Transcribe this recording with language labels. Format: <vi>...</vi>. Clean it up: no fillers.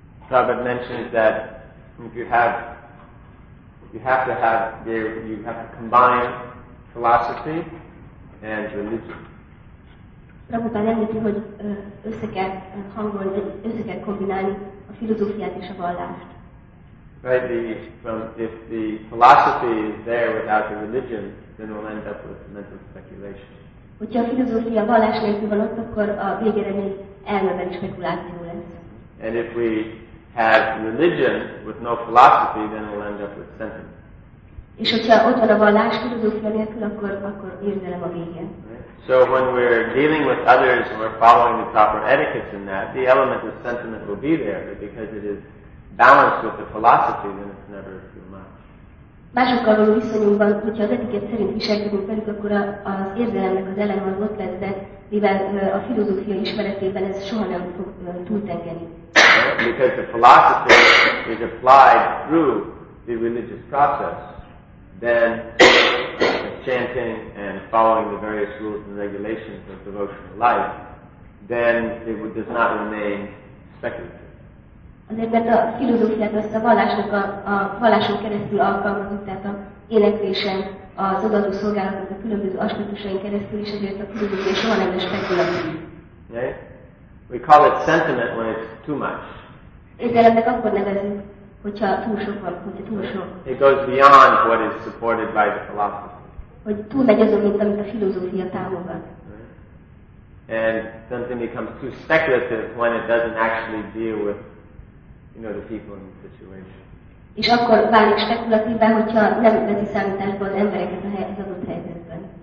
<en>Prabhupada mentions that you have to combine philosophy and religion.</en> <hu>Prabhupada mondta, hogy össze kell hangolni, össze kell kombinálni a filozófiát és a vallást.</hu> <en>Right, if the philosophy is there without the religion, then we'll end up with mental speculation.</en> <hu>Hogyha a filozófia a vallás nélkül van ott, akkor a végeredmény elmebeteg spekuláció lesz.</hu> <en>And if we have religion with no philosophy, then we'll end up with sentiment.</en> <hu>És hogyha ott van a vallás filozófia nélkül, akkor érzelem a végén.</hu> <en>So when we're dealing with others and we're following the proper etiquettes in that, the element of sentiment will be there, but because it is balanced with the philosophy, then it's never too much.</en> <hu>Másokkal való viszonyunkban, hogyha az etikett szerint viselkedünk velük, akkor az érzelemnek az eleme az ott lesz, de mivel a filozófia ismeretében ez soha nem fog túltengeni.</hu> <en>Because the philosophy is applied through the religious process, then the chanting and following the various rules and regulations of devotional life, then it does not remain speculative.</en> <hu>Azért, mert a filozófiát azt a vallásnak a valláson keresztül alkalmazunk, tehát a éneklésen, az odaadó szolgálatnak a különböző aspektusain keresztül, és azért a filozófia soha nem lesz spekulatív.</hu> <en>Okay? We call it sentiment when it's too much.</en> <hu>Érzelemnek akkor nevezünk, hogyha túl sok van, hogyha túl sok.</hu> <en>It goes beyond what is supported by the philosophy.</en> <hu>Hogy túlmegy azon, mint amit a filozófia támogat.</hu> <en>And something becomes too speculative when it doesn't actually deal with, you know, the people in the situation.</en> <hu>És akkor válik spekulatívvá, hogyha nem veszi számításba az embereket az adott helyzetben.</hu>